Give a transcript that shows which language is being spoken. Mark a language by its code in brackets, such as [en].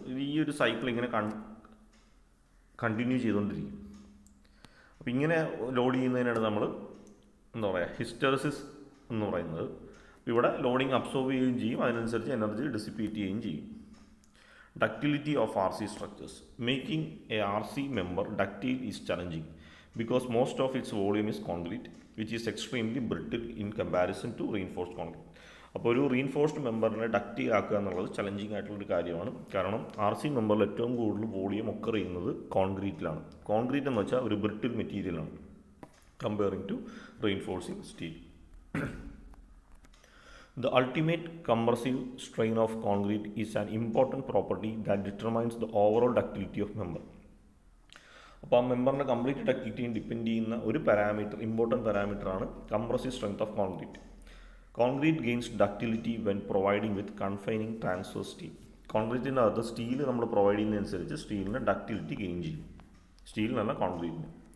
[ml] ഇത് ഈ ഒരു സൈക്കിൾ ഇങ്ങനെ കണ്ടിന്യൂ ചെയ്തുകൊണ്ടിരിക്കും. അപ്പം ഇങ്ങനെ ലോഡ് ചെയ്യുന്നതിനാണ് നമ്മൾ എന്താ പറയുക ഹിസ്റ്റെറിസിസ് എന്ന് പറയുന്നത്. ഇവിടെ ലോഡിങ് അബ്സോർബ് ചെയ്യുകയും ചെയ്യും, അതിനനുസരിച്ച് എനർജി ഡിസിപ്പേറ്റ് ചെയ്യുകയും ചെയ്യും. [en] Ductility of RC structures. Making a RC member ductile is challenging because most of its volume is concrete, which is extremely brittle in comparison to reinforced concrete. [ml] അപ്പോൾ ഒരു reinforced മെമ്പറിനെ ഡക്റ്റീൽ ആക്കുക എന്നുള്ളത് challenging ആയിട്ടുള്ളൊരു കാര്യമാണ്. കാരണം RC മെമ്പറിൽ ഏറ്റവും കൂടുതൽ വോളിയം ഒക്കെ ചെയ്യുന്നത് കോൺക്രീറ്റിലാണ്. കോൺക്രീറ്റ് എന്ന് വെച്ചാൽ ഒരു ബ്രിട്ടിൽ മെറ്റീരിയലാണ് [en] Comparing to reinforcing steel. The ultimate compressive strain of concrete is an important property that determines the overall ductility of member. [ml] അപ്പോൾ ആ മെമ്പറിൻ്റെ കംപ്ലീറ്റ് ഡക്റ്റിലിറ്റിയും ഡിപ്പെൻഡ് ചെയ്യുന്ന ഒരു പാരാമീറ്റർ, ഇമ്പോർട്ടൻ്റ് പാരാമീറ്ററാണ് compressive strength of concrete. [en] Concrete gains ductility when providing with confining transfer steel. [ml] കോൺക്രീറ്റിൻ്റെ അകത്ത് steel നമ്മൾ provide ചെയ്യുന്നതനുസരിച്ച് സ്റ്റീലിന് ductility gain ചെയ്യും, സ്റ്റീലിനല്ല കോൺക്രീറ്റിന്.